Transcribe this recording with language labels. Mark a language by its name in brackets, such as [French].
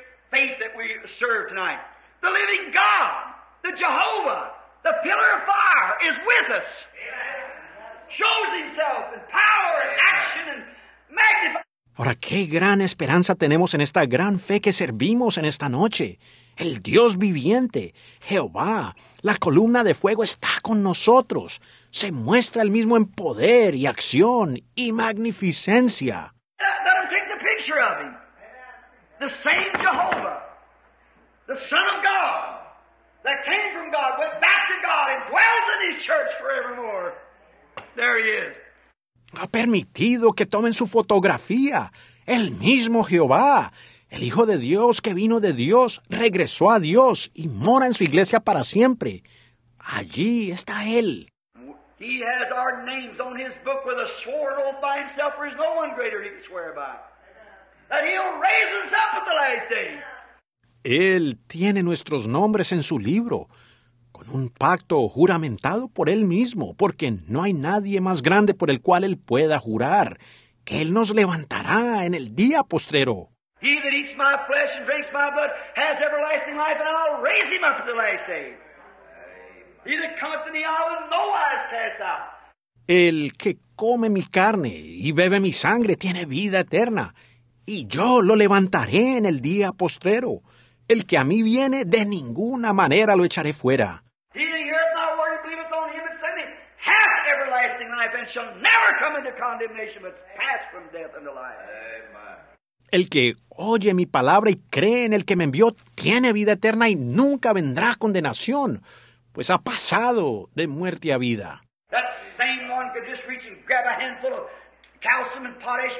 [English] Faith that we serve tonight. The living God, the Jehovah, the pillar of fire is with us. Amen. Shows himself in power and action and magnify. [Spanish] Ahora, qué gran esperanza tenemos en esta gran fe que servimos en esta noche. el Dios viviente, Jehová, la columna de fuego está con nosotros. Se muestra el mismo en poder y acción y magnificencia. [English] Let him take the picture of him. The same Jehovah, the Son of God, that came from God, went back to God, and dwells in his church forevermore. There he is. [Spanish] Ha permitido que tomen su fotografía. El mismo Jehová, el Hijo de Dios que vino de Dios, regresó a Dios y mora en su iglesia para siempre. Allí está Él. [English] He has our names on his book with a sworn oath by himself, for there's no one greater he can swear by. That he'll raise us up at the last day. [Spanish] Él tiene nuestros nombres en su libro, con un pacto juramentado por Él mismo, porque no hay nadie más grande por el cual Él pueda jurar, que Él nos levantará en el día postrero. [English] He that eats my flesh and drinks my blood has everlasting life, and I'll raise him up at the last day. He that cometh to me, I will in no wise cast out. [Spanish] El que come mi carne y bebe mi sangre tiene vida eterna, y yo lo levantaré en el día postrero. El que a mí viene, de ninguna manera lo echaré fuera. [English] He that heareth my word and believeth on him that sent me hath everlasting life, and shall never come into condemnation, but pass from death into life. [Spanish] El que oye mi palabra y cree en el que me envió tiene vida eterna y nunca vendrá a condenación, pues ha pasado de muerte a vida. [English] That same one could just reach and grab a handful of calcium and potash.